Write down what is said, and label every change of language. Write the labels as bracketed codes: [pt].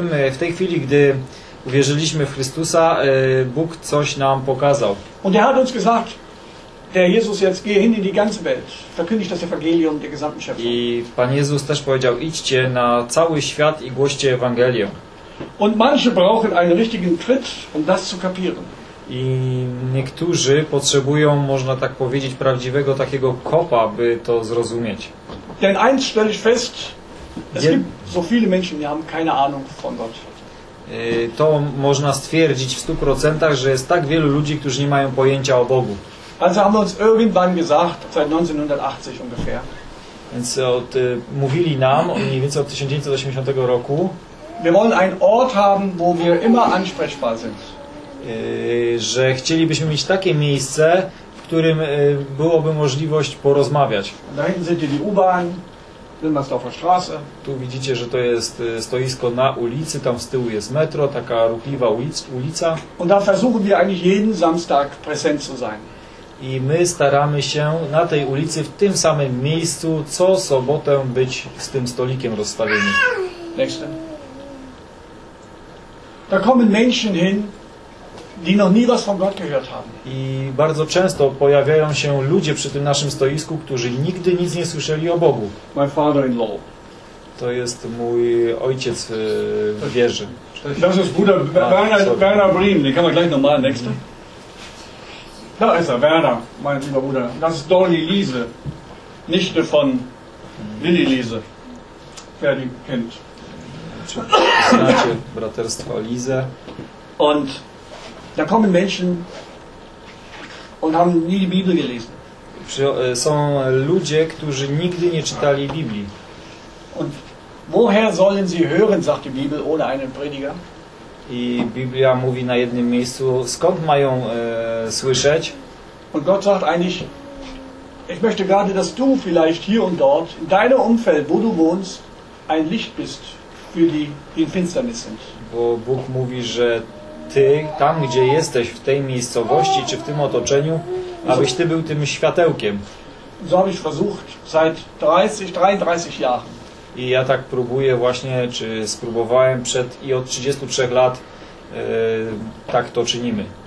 [pl] W tej chwili, gdy uwierzyliśmy w Chrystusa, Bóg coś nam pokazał. [de] Und er hat uns gesagt, Herr Jesus, jetzt geh hin in die ganze Welt. Verkündig das Evangelium der gesamten Schöpfung. [pl] I Pan Jezus też powiedział, idźcie na cały świat i głoście Ewangelię. [de] Und manche brauchen einen richtigen Tritt, um das zu kapieren. [pl] I niektórzy potrzebują, można tak powiedzieć, prawdziwego takiego kopa, by to zrozumieć. [de] Denn eins stelle ich fest, es gibt so viele Menschen, die haben keine Ahnung von Gott. [pl] To można stwierdzić w 100%, że jest tak wielu ludzi, którzy nie mają pojęcia o Bogu. [de] Also haben wir uns irgendwann gesagt, seit 1980 ungefähr. [pl] Więc mówili nam mniej więcej od 1980 roku. [de] Wir wollen einen Ort haben, wo wir immer ansprechbar sind. [pl] Że chcielibyśmy mieć takie miejsce, w którym byłoby możliwość porozmawiać. [de] Da hinten seht ihr die U-Bahn, Wilmersdorfer Straße. [pl] Tu widzicie, że to jest stoisko na ulicy, tam z tyłu jest metro, taka ruchliwa ulica. [de] Und da versuchen wir eigentlich jeden Samstag präsent zu sein. [pl] I my staramy się na tej ulicy, w tym samym miejscu, co sobotę być z tym stolikiem rozstawieni. [de] Nächste. Da kommen Menschen hin, die noch nie was von Gott gehört haben. [pl] I bardzo często pojawiają się ludzie przy tym naszym stoisku, którzy nigdy nic nie słyszeli o Bogu. [en] My father-in-law. [pl] To jest mój ojciec w wierze. To jest Bruder Werner Brim. [de] Den kann man gleich nochmal. Nächste. Da ist er, Werner, mein lieber Bruder. Das ist Dolly Liese, Nichte von Lilly Liese. Wer die kennt. [pl] Znacie braterstwo Liese. [de] Und da kommen Menschen und haben nie die Bibel gelesen. [pl] Są ludzie, którzy nigdy nie czytali Biblii. [de] Und woher sollen sie hören, sagt die Bibel, ohne einen Prediger? [pl] I Biblia mówi na jednym miejscu, skąd mają słyszeć? [de] Und Gott sagt eigentlich, ich möchte gerade, dass du vielleicht hier und dort, in deinem Umfeld, wo du wohnst, ein Licht bist für die, die in Finsternis sind. [pl] Bo Bóg mówi, że ty, tam gdzie jesteś, w tej miejscowości, czy w tym otoczeniu, abyś ty był tym światełkiem. [de] So habe ich versucht, seit 33 Jahren. [pl] I ja tak próbuję właśnie, czy spróbowałem przed i od 33 lat tak to czynimy.